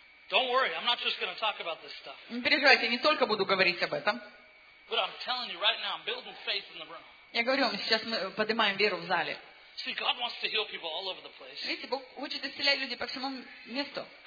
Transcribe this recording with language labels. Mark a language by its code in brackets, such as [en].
[en] Don't worry, I'm not just going to talk about this stuff. [ru] Не переживайте, я не только буду говорить об этом. [en] But I'm telling you right now, I'm building faith in the room. [ru] Я говорю вам, сейчас мы поднимаем веру в зале. [en] See, God wants to heal people all over the place. [ru] Видите, Бог хочет исцелять людей по всему месту.